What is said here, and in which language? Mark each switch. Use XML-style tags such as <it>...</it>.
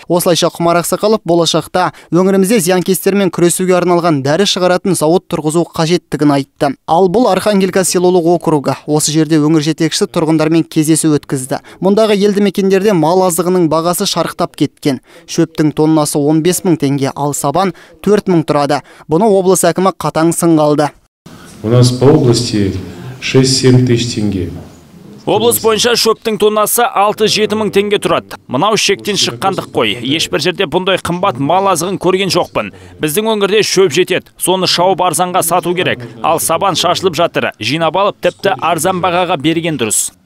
<kk>Осылайша Құмар Ақсақалов болашақта өңірімізде зиянкестермен күресуге арналған дәрі шығаратын зауыт тұрғызу қажеттігін айтты. Ал бұл Архангелка селолық округі. Осы жерде өңір жетекшісі тұрғындармен кездесу өткізді. Мұндағы елді мекендерде мал азығының бағасы шарықтап кеткен. Шөптің тоннасы 15 000 теңге, ал сабан 4 000 тұрады. Бұны облыс әкімі қатаң сынға алды.</kk> <ru>У нас по области 6-7 тысяч тенге.</ru> <kk>Облыс бойынша шөптің тоннасы 6-7 мың тенге тұрады. Мынау шектен шыққандық қой. Ешбір жерде бұндай қымбат мал азығын көрген жоқпын. Біздің өңірде шөп жетеді. Соны шауып арзанға сату керек. Ал сабан шашылып жатыр. Жинап алып тіпті арзан бағаға берген дұрыс.</kk>